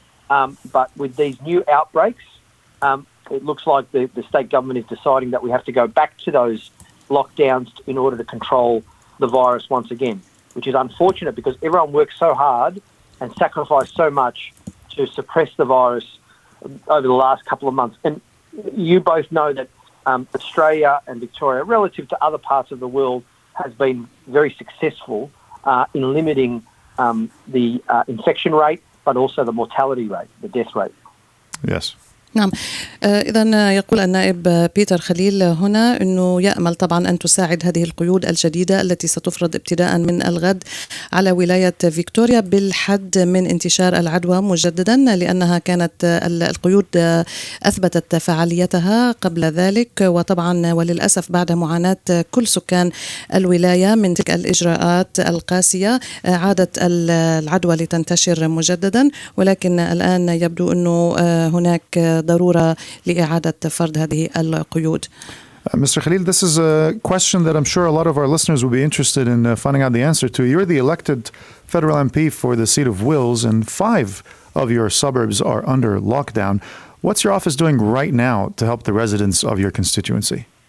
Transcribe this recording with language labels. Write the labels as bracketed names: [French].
[English] But with these new outbreaks, it looks like the state government is deciding that we have to go back to those lockdowns in order to control the virus once again, which is unfortunate because everyone worked so hard and sacrificed so much to suppress the virus over the last couple of months. And you both know that Australia and Victoria, relative to other parts of the world, has been very successful in limiting the infection rate, but also the mortality rate, the death rate. Yes. [Arabic] نعم. إذن يقول النائب بيتر خليل هنا أنه يأمل طبعا أن تساعد هذه القيود الجديدة التي ستفرض ابتداء من الغد على ولاية فيكتوريا بالحد من انتشار العدوى مجددا، لأنها كانت القيود أثبتت فعاليتها قبل ذلك، وطبعا وللأسف بعد معاناة كل سكان الولاية من تلك الإجراءات القاسية عادت العدوى لتنتشر مجددا، ولكن الآن يبدو أنه هناك ضرورة لإعادة فرض هذه القيود. [English] Mr. Khalil, this is a question that I'm sure a lot of our listeners will be interested in finding out the answer to. You're the elected federal MP for the seat of Wills, and five of your suburbs are under lockdown. What's your office doing right now to help the residents of your constituency?